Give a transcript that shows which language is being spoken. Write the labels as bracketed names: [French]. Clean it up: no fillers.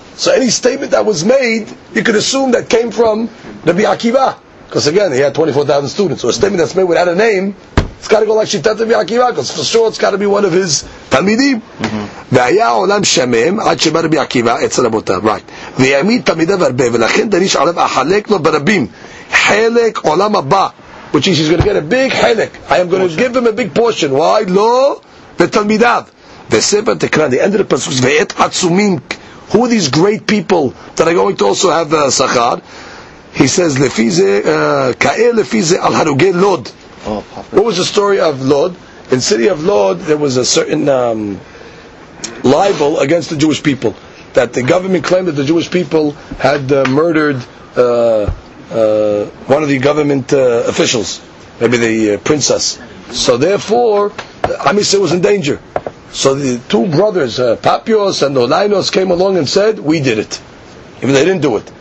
[English] So any statement that was made, you could assume that came from רבי עקיבא. Because again, he had 24,000 students. So a statement that's made without a name, it's got to go like [Hebrew] שיטת רבי עקיבא, [English] because for sure it's got to be one of his תלמידים. [Hebrew] והיה עולם שמם עד שבא רבי עקיבא אצל רבותיו. Right. ויאמין תלמידיו הרבה, ולכן דריש עליו אחלק לו ברבים חלק עולם הבא, [English] which is he's going to get a big [Hebrew] חלק. [English] I am going to give him a big portion. Why? [Hebrew] לא, ותלמידיו. וספר תקרא, [English] the end of the passage, [Hebrew] ואת עצומים, [English] who are these great people that are going to also have a שכר? He says, [Hebrew] לפי זה, כאל לפי זה על הרוגי לוד. [English] What was the story of לוד? In the city of לוד, there was a certain libel against the Jewish people, that the government claimed that the Jewish people had murdered one of the government officials, maybe the princess. So therefore, Amisa was in danger. So the two brothers, Papios and Olainos, came along and said, we did it. Even they didn't do it.